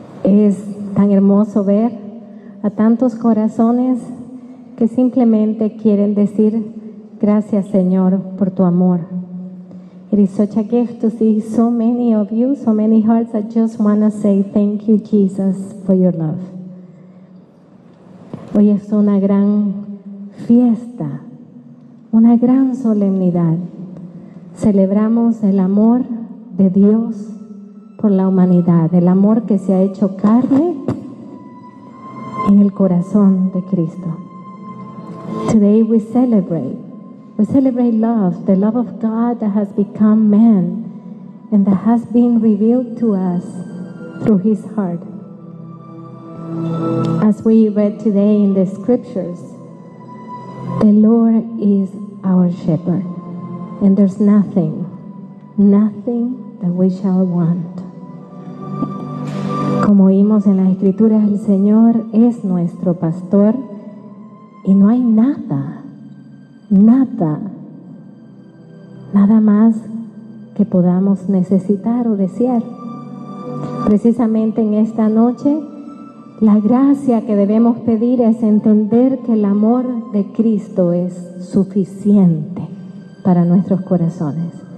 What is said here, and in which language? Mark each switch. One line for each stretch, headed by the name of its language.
Spanish: Es tan hermoso ver a tantos corazones que simplemente quieren decir gracias, Señor, por tu amor.
English: It is such a gift to see so many of you, so many hearts that just want to say thank you, Jesus, for your love.
Spanish: Hoy es una gran fiesta, una gran solemnidad. Celebramos el amor de Dios por la humanidad, el amor que se ha hecho carne en el corazón de Cristo.
English: Today we celebrate love, the love of God that has become man and that has been revealed to us through his heart. As we read today in the scriptures, the Lord is our shepherd, and there's nothing that we shall want.
Spanish: Como oímos en las escrituras, el Señor es nuestro pastor y no hay nada más que podamos necesitar o desear. Precisamente en esta noche, la gracia que debemos pedir es entender que el amor de Cristo es suficiente para nuestros corazones.